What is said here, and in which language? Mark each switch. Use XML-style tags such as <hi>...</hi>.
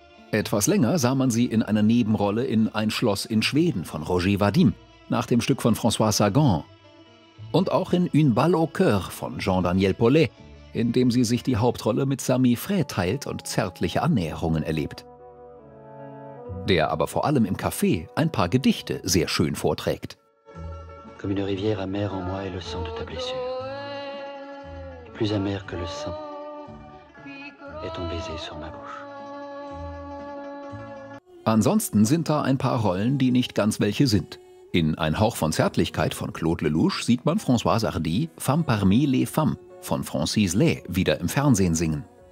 <de>Etwas länger sah man sie in einer Nebenrolle in Ein Schloss in Schweden von Roger Vadim, nach dem Stück von François Sagan. Und auch in Une balle au cœur von Jean-Daniel Paulet, in dem sie sich die Hauptrolle mit Sami Frey teilt und zärtliche Annäherungen erlebt. Der aber vor allem im Café ein paar Gedichte sehr schön vorträgt.</de> <fr>Comme une rivière amère en moi est le sang de ta blessure. Plus amère que le sang est ton baiser sur ma bouche.</fr> <de>Ansonsten sind da ein paar Rollen, die nicht ganz welche sind. In Ein Hauch von Zärtlichkeit von Claude Lelouch sieht man Françoise Hardy Femme parmi les femmes von Francis Lay wieder im Fernsehen singen.</de>